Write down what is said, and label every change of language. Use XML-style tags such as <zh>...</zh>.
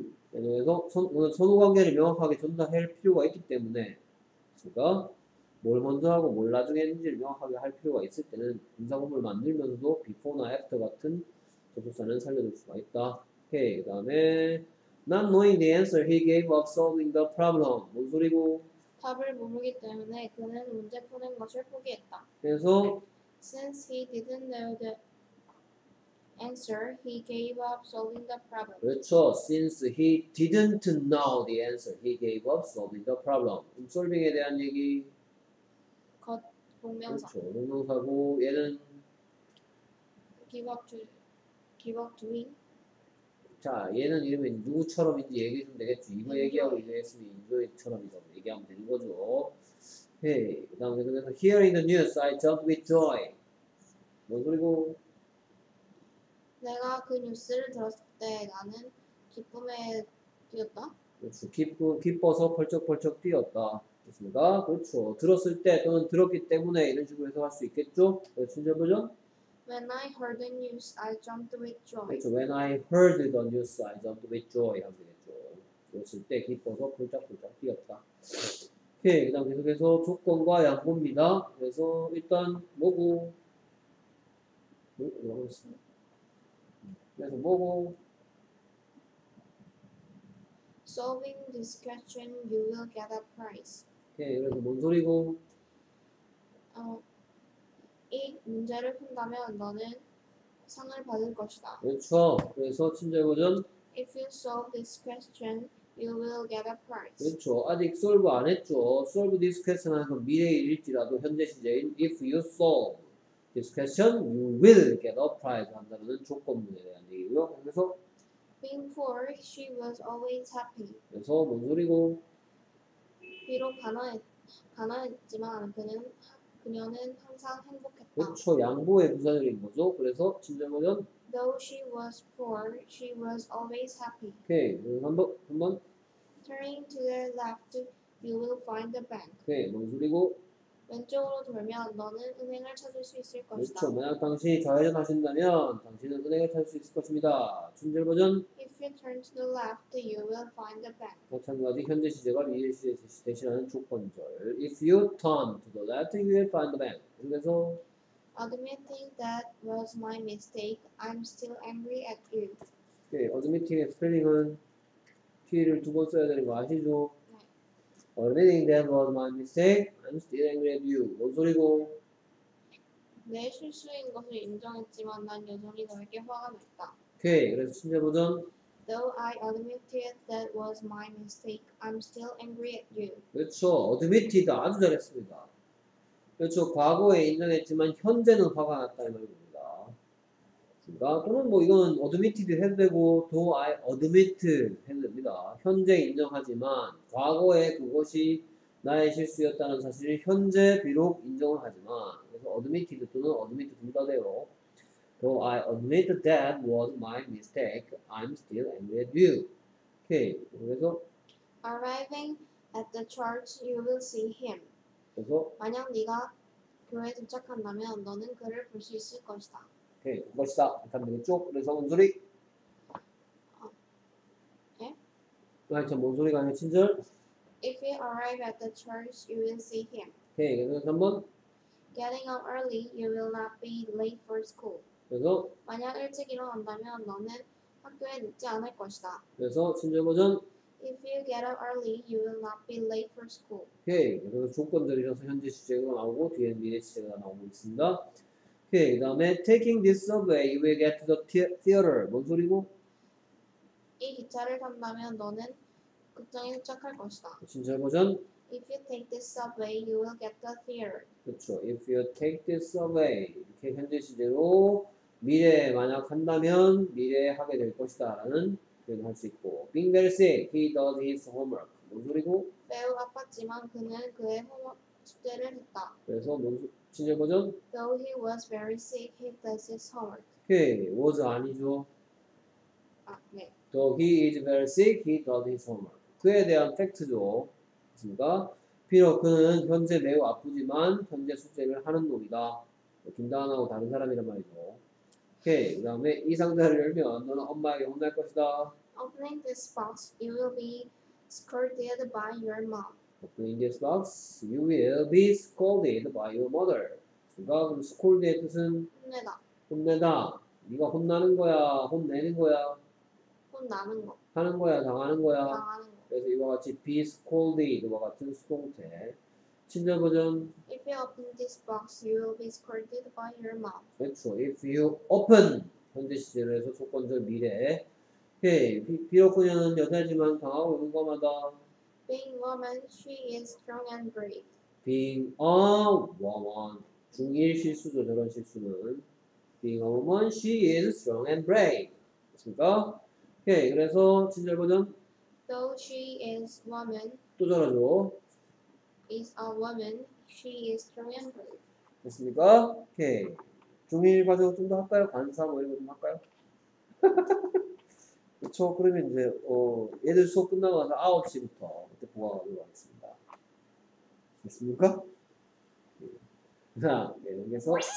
<ko>그래서 오늘 선후관계를 명확하게 전달할 필요가 있기 때문에 제가 뭘 먼저 하고 뭘 나중에 했는지를 명확하게 할 필요가 있을 때는 분사구문을 만들면서도 before나 after 같은 접속사는 살려둘 수가 있다. 오케이, 그 다음에</ko> <en>Not knowing the answer, he gave up solving the problem.</en> <ko>뭔 소리고? 답을 모르기 때문에 그는 문제 푸는 것을 포기했다. 그래서</ko> <en>Since he didn't know the answer, he gave up solving the problem.</en> <ko>그렇죠.</ko> <en>Since he didn't know the answer, he gave up solving the problem.</en> <ko>솔빙에 대한 얘기? 겉 동명사. 그렇죠. 동명사고 얘는?</ko> <en>Give up doing?</en> <ko>자, 얘는 이러면 누구처럼인지 얘기해주면 되겠죠. 이거 얘기하고 이거 했으면 인도처럼이라고 얘기하면 되는 거죠. 헤이, 그 다음 계속해서</ko> <en>Hearing the news, I jumped with joy.</en> <ko>뭐 그리고? 내가 그 뉴스를 들었을 때 나는 기쁨에 뛰었다? 그렇죠. 기뻐서 펄쩍펄쩍 뛰었다. 그렇습니까? 그렇죠. 들었을 때 또는 들었기 때문에 이런 식으로 해석할 수 있겠죠? 순서 보죠.</ko> <en>When I heard the news, I jumped with joy.</en> <ko>그렇죠.</ko> <en>When I heard the news, I jumped with joy.</en> <ko>하면 되겠죠. 그랬을 때 기뻐서 불짝불짝 뛰었다. 오케이. 그 다음 계속해서 조건과 양보입니다. 그래서 일단 뭐고? 이러고 있습니다. 그래서 뭐고?</ko> <en>Solving this question, you will get a prize.</en> <ko>네, 그래서 뭔 소리고? 이 문제를 푼다면 너는 상을 받을 것이다. 그렇죠. 그래서 친절고전.</ko> <en>If you solve this question, you will get a prize.</en> <ko>그렇죠. 아직</ko> <en>solve</en> <ko>안 했죠.</ko> <en>Solve this question</en> <ko>하면 미래일지라도 현재 시제인</ko> <en>If you solve this question, you will get a prize.</en> <ko>한다는 조건문에 대한 얘기고요. 그래서</ko> <en>Being poor, she was always happy.</en> <ko>그래서 뭔 소리고? 비록 가난했지만 그녀는 항상 행복했다. 그렇죠. 양보의 부사절인 거죠. 그래서 진정어전</ko> <en>Though she was poor, she was always happy.</en> <ko>오케이. 한 번.</ko> <en>Turning to the left, you will find the bank.</en> <ko>오케이. 뭔 소리고? 왼쪽으로 돌면 너는 은행을 찾을 수 있을 것이다. 그렇죠. 만약 당신이 좌회전 하신다면 당신은 은행을 찾을 수 있을 것입니다. 준절 버전.</ko> <en>If you turn to the left, you will find the bank.</en> <ko>마찬가지 현재 시제가 미래 시제 대신하는 조건절.</ko> <en>If you turn to the left, you will find the bank.</en> <ko>그래서</ko> <en>Admitting that was my mistake, I'm still angry at you.</en> <ko>네, admitting의 스펠링은 T를 두 번 써야 되는 거 아시죠?</ko> <en>Admitting that was my mistake, I'm still angry at you.</en> <ko>뭔 소리고? 내 실수인 것을 인정했지만 난 여전히 너에게 화가 났다. 오케이, 그래서 친절 버전.</ko> <en>Though I admitted that was my mistake, I'm still angry at you.</en> <ko>그렇죠, admitted 아주 잘했습니다. 그렇죠, 과거에 인정했지만 현재는 화가 났다는 말입니다. 그러니까 또는 뭐 이건 admitted 해도 되고</ko> <en>though I admit</en> <ko>해도 됩니다. 현재 인정하지만 과거에 그것이 나의 실수였다는 사실을 현재 비록 인정을 하지만 그래서 admitted 또는 admit 둘 다 돼요.</ko> <en>Though I admit that was my mistake, I'm still angry at you.</en> <ko>오케이, 그래서</ko> <en>Arriving at the church, you will see him.</en> <ko>그래서 만약 네가 교회에 도착한다면 너는 그를 볼 수 있을 것이다. 오케이, 멋있다. 일단 되겠죠? 그래서 뭔 소리? 예? 아니, 참 뭔 소리가 아니야, 친절?</ko> <en>If you arrive at the church, you will see him.</en> <ko>오케이, 그래서 한번</ko> <en>Getting up early, you will not be late for school.</en> <ko>그래서 만약 일찍 일어난다면 너는 학교에 늦지 않을 것이다. 그래서 친절 버전</ko> <en>If you get up early, you will not be late for school.</en> <ko>오케이, 그래서 조건들이라서 현재 시제가 나오고 뒤에 미래 시제가 나오고 있습니다. 오케이, 그 다음에</ko> <en>Taking this subway, you will get to the theater.</en> <ko>뭔 소리고? 이 기차를 탄다면 너는 극장에 도착할 것이다. 친절 버전</ko> <en>If you take this subway, you will get the theater.</en> <ko>그렇죠.</ko> <en>If you take this subway,</en> <ko>이렇게 현재 시제로 미래에 만약 한다면 미래에 하게 될 것이다 라는 표현을 할 수 있고</ko> <en>Being very sick, he does his homework.</en> <ko>뭔 소리고? 매우 아팠지만 그는 그의 숙제를 했다. 그래서 뭔 친절 버전?</ko> <en>Though he was very sick, he does his homework.</en> <ko>오케이, was 아니죠? 아, 네.</ko> <en>Though he is very sick, he does his homework.</en> <ko>그에 대한 팩트죠. 그렇습니까? 비록 그는 현재 매우 아프지만 현재 숙제를 하는 놈이다. 김다은하고 다른 사람이란 말이죠. 오케이, 그 다음에 이 상자를 열면 너는 엄마에게 혼날 것이다.</ko> <en>Opening this box, you will be scolded by your mom. Opening this box, you will be scolded by your mother.</en> <ko>그럼 scolded의 뜻은? 혼내다. 혼내다. 네가 혼나는 거야, 혼내는 거야. 혼나는 거. 하는 거야, 당하는 거야. 당하는 거. 그래서 이와 같이 be scolded 와 같은 수동태 친절 버전</ko> <en>If you open this box, you will be scolded by your mom.</en> <ko>그렇죠.</ko> <en>If you open</en> <ko>현재 시제로 해서 조건절 미래에 오케이. 비록 그녀는 여자지만 당하고 있는 것마다</ko> <en>Being a woman, she is strong and brave. Being a woman</en> <ko>중1 실수죠. 저런 실수는</ko> <en>Being a woman, she is strong and brave.</en> <ko>됐습니까? 오케이. 그래서 친절 버전</ko> <en>Though she is a woman,</en> <ko>또 잘하죠.</ko> <en>Is a woman, she is strong and brave.</en> <ko>됐습니까? 오케이. 중1 과정 좀 더 할까요? 반사 뭐 이런 거 좀 할까요? 그쵸. 그러면 이제, 얘들 수업 끝나고 나서 9시부터 그때 보강하도록 하겠습니다. 됐습니까? 자, 네, 여기서.</ko>